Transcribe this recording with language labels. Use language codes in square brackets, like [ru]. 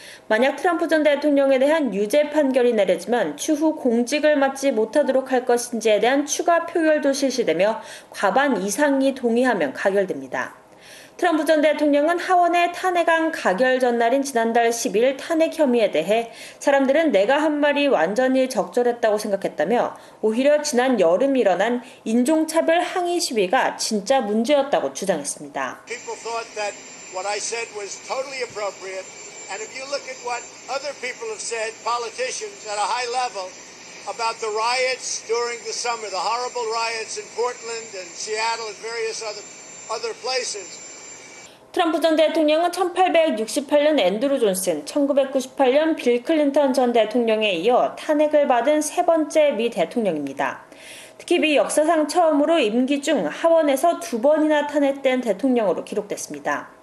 [ko] 만약 트럼프 전 대통령에 대한 유죄 판결이 내려지면 추후 공직을 맡지 못하도록 할 것인지에 대한 추가 표결도 실시되며 과반 이상이 동의하면 가결됩니다. 트럼프 전 대통령은 하원의 탄핵안 가결 전날인 지난달 10일 탄핵 혐의에 대해 사람들은 내가 한 말이 완전히 적절했다고 생각했다며 오히려 지난 여름 일어난 인종차별 항의 시위가 진짜 문제였다고 주장했습니다. [en] People thought that what I said was totally appropriate. And if you look at what other people have said, politicians at a high level, about the riots during the summer, the horrible riots in Portland and Seattle and various other places. [ko] 트럼프 전 대통령은 1868년 앤드루 존슨, 1998년 빌 클린턴 전 대통령에 이어 탄핵을 받은 세 번째 미 대통령입니다. 특히 미 역사상 처음으로 임기 중 하원에서 두 번이나 탄핵된 대통령으로 기록됐습니다.